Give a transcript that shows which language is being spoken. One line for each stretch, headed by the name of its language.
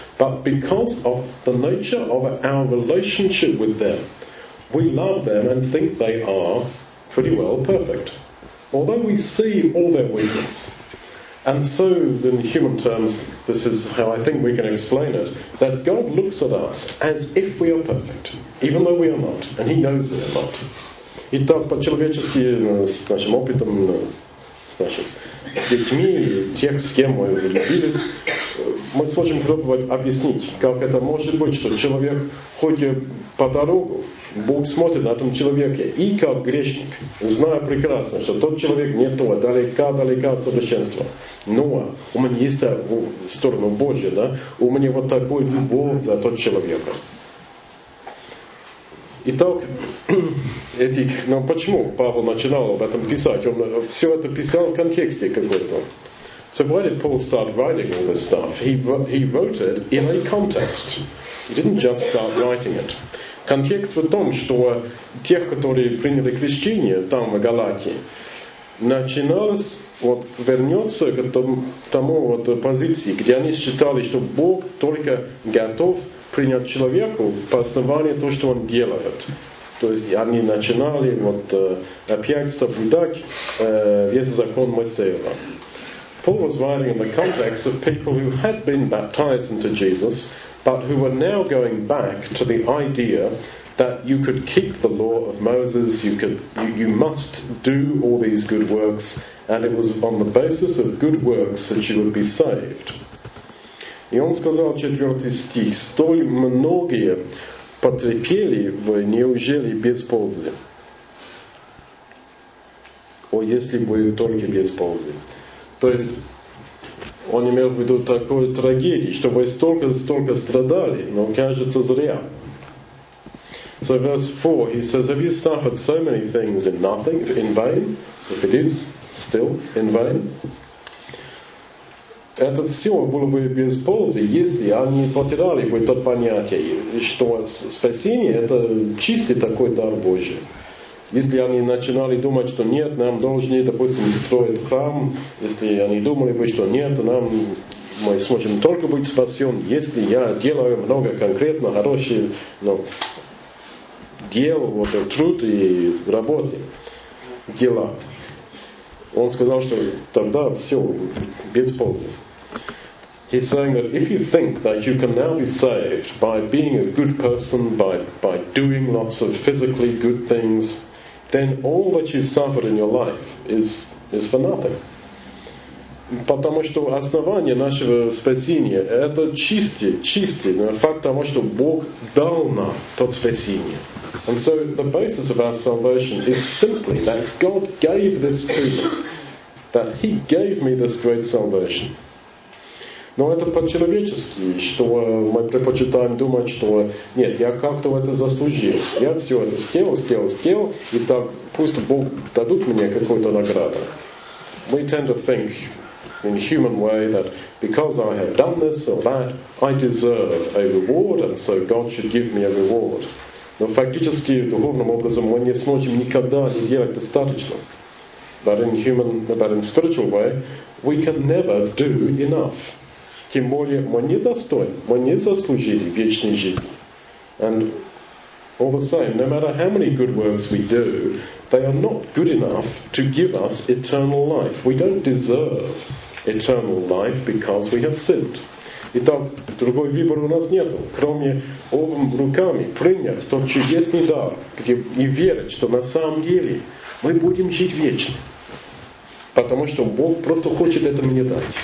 English: But because of the nature of our relationship with them, we love them and think they are pretty well perfect. Although we see all their weakness, And so, in human terms, this is how I think we can explain it, that God looks at us as if we are perfect, even though we are not, and he knows we are not.
Russian: И так, по-человечески, с нашим опытом, с нашими детьми, тех, с кем мы влюбились, мы сможем пробовать объяснить, как это может быть, что человек, ходя по дорогу, Бог смотрит на этом человеке, и как грешник, зная прекрасно, что тот человек не то, далека-далека от совершенства. Но у меня есть сторона Божья, да? У меня вот такой любовь за тот человек. Итак, почему Павел начинал об этом писать? Он все это писал в контексте какой-то.
English: So why did Paul start writing all this stuff? He wrote it in a context. He didn't just start writing it.
Russian: Контекст в том, что те, которые приняли крещение там, в Галатии, начиналось вот вернется к тому вот позиции, где они считали, что Бог только готов принять человеку по основанию того, что он делает. То есть они начинали вот опять соблюдать весь закон Моисеева.
English: Paul was writing in the context of people who had been baptized into Jesus, but who were now going back to the idea that you could keep the law of Moses, you must do all these good works, and it was on the basis of good works that you would be saved.
Russian: И он сказал, 4 стих, «Столь многие потерпели вы, неужели без пользы?» «О, если бы только без пользы!» То есть, он имел в виду такой трагедии, что вы столько страдали, но кажется зря.
English: So verse 4, he says, «Have you suffered so many things in nothing, in vain?» If it is still in vain.
Russian: Это все было бы без пользы, если они потеряли бы то понятие, что спасение – это чистый такой дар Божий. Если они начинали думать, что нет, нам должны, допустим, строить храм, если они думали бы, что нет, нам, мы сможем только быть спасен, если я делаю много конкретно хороших дел, вот, труд и работы, дела. Он сказал, что тогда все без пользы.
English: He's saying that if you think that you can now be saved by being a good person, by doing lots of physically good things, then all that you've suffered in your life is for nothing.
Russian: Потому что основание нашего спасения – это чистое, но факт того, что Бог дал нам то спасение.
English: And so the basis of our salvation is simply that God gave this to me, that He gave me this great salvation.
Russian: Но это по-человечески, что мы предпочитаем думать, что нет, я как-то это заслужил. Я все это сделал, и так пусть Бог дадут мне какую-то награду.
English: We tend to think in human way that because I have done this or that, I deserve a reward, and so God should give me a reward.
Russian: Но фактически, духовным образом, мы не сможем никогда не делать достаточно.
English: But in spiritual way, we can never do enough.
Russian: Тем более мы не достойны, мы не заслужили вечной жизни.
English: And all the same, no matter how many good works we do, they are not good enough to give us eternal life. We don't deserve eternal life because we have sinned.
Russian: Итак, другой выбор у нас нет, кроме обом руками принять тот чудесный дар и верить, что на самом деле мы будем жить вечно. Потому что Бог просто хочет это мне дать.